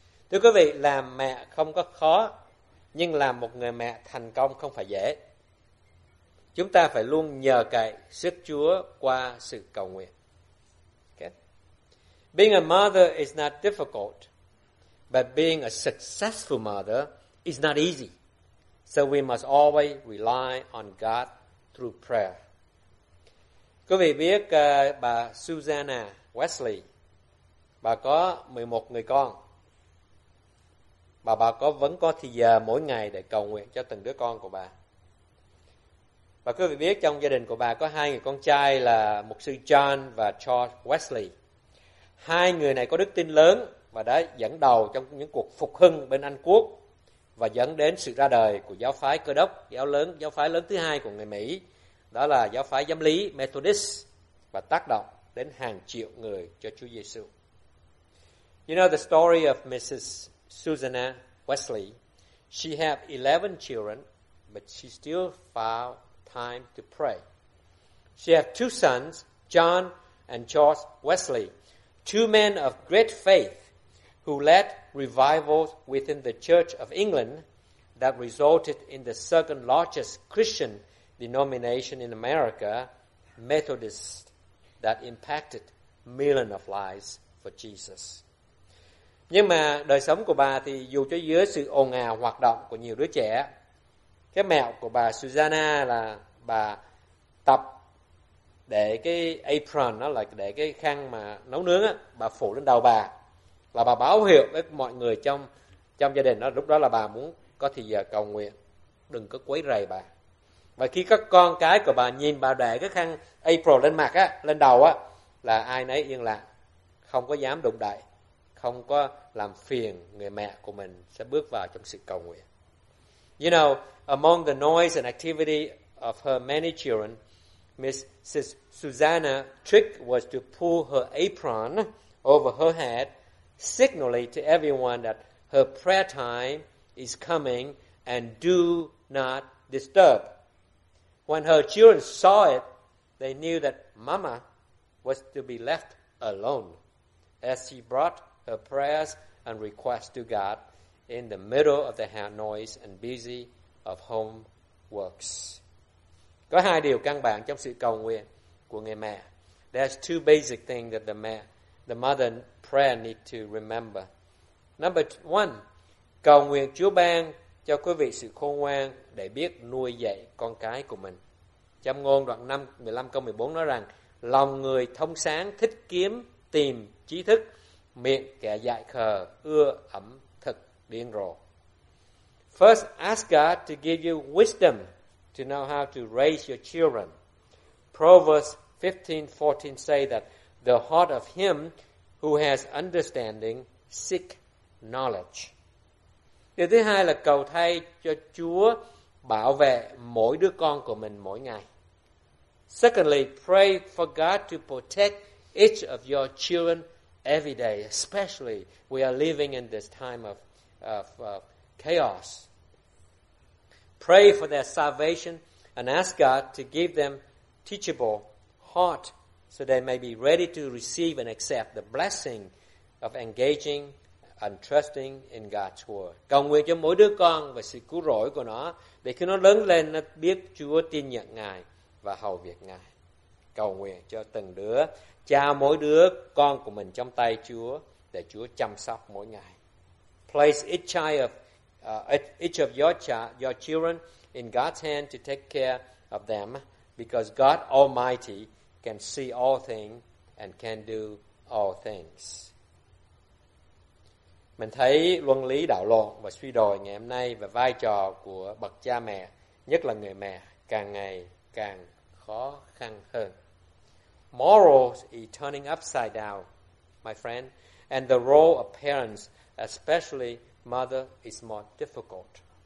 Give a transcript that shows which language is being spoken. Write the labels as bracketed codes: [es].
[vi] Thưa quý vị, làm mẹ không có khó, nhưng làm một người mẹ thành công không phải dễ. Chúng ta phải luôn nhờ cậy sức Chúa qua sự cầu nguyện. Okay. [en] Being a mother is not difficult, but being a successful mother is not easy. So we must always rely on God through prayer. [vi] Quý vị biết bà Susanna Wesley, bà có 11 người con. Bà vẫn có thời giờ mỗi ngày để cầu nguyện cho từng đứa con của bà. Và quý vị biết trong gia đình của bà có hai người con trai là mục sư John và Charles Wesley. Hai người này có đức tin lớn và đã dẫn đầu trong những cuộc phục hưng bên Anh Quốc và dẫn đến sự ra đời của giáo phái Cơ Đốc, giáo phái lớn thứ hai của người Mỹ, đó là giáo phái Giám lý Methodist, và tác động đến hàng triệu người cho Chúa Giêsu. [en] You know the story of Mrs. Susanna Wesley. She had 11 children, but she still found time to pray. She had two sons, John and Charles Wesley, two men of great faith who led revivals within the Church of England that resulted in the second largest Christian denomination in America, Methodist, that impacted millions of lives for Jesus. [vi] Nhưng mà đời sống của bà thì dù cho dưới sự ồn ào hoạt động của nhiều đứa trẻ, cái mẹo của bà Susanna là bà tập để cái apron, đó là để cái khăn mà nấu nướng á, bà phủ lên đầu bà, và bà báo hiệu với mọi người trong trong gia đình đó, lúc đó là bà muốn có thì giờ cầu nguyện, đừng có quấy rầy bà. Và khi các con cái của bà nhìn bà để cái khăn apron lên mặt á, lên đầu á, là ai nấy yên lặng, không có dám đụng đậy, không có làm phiền người mẹ của mình sẽ bước vào trong sự cầu nguyện. [en] You know, among the noise and activity of her many children, Mrs. Susanna's trick was to pull her apron over her head, signaling to everyone that her prayer time is coming and do not disturb. When her children saw it, they knew that Mama was to be left alone as she brought her prayers and requests to God in the middle of the noise and busy of home works. [vi] Có hai điều căn bản trong sự cầu nguyện của người mẹ. [en] There's two basic things that the mother prayer need to remember. Number one, [vi] cầu nguyện Chúa ban cho quý vị sự khôn ngoan để biết nuôi dạy con cái của mình. Châm ngôn đoạn 5, 15 câu 14 nói rằng, lòng người thông sáng thích kiếm tìm trí thức, miệng kẻ dại khờ ưa ẩm thực điên rồ. [en] First, ask God to give you wisdom to know how to raise your children. Proverbs 15:14 say that the heart of him who has understanding seek knowledge. [vi] Điều thứ hai là cầu thay cho Chúa bảo vệ mỗi đứa con của mình mỗi ngày. [en] Secondly, pray for God to protect each of your children every day, especially we are living in this time of chaos. Pray for their salvation and ask God to give them teachable heart so they may be ready to receive and accept the blessing of engaging and trusting in God's word. [vi] Cầu nguyện cho mỗi đứa con về sự cứu rỗi của nó để khi nó lớn lên nó biết Chúa, tin nhận Ngài và hầu việc Ngài. Cầu nguyện cho từng đứa, trao mỗi đứa con của mình trong tay Chúa để Chúa chăm sóc mỗi ngày. [en] Place each of your children in God's hand to take care of them, because God Almighty can see all things and can do all things. [vi] Mình thấy luân lý đảo lộn và suy đồi ngày hôm nay và vai trò của bậc cha mẹ, nhất là người mẹ, càng ngày càng khó khăn hơn. [en] Morals is turning upside down, my friend, and the role of parents, especially mother, is more difficult.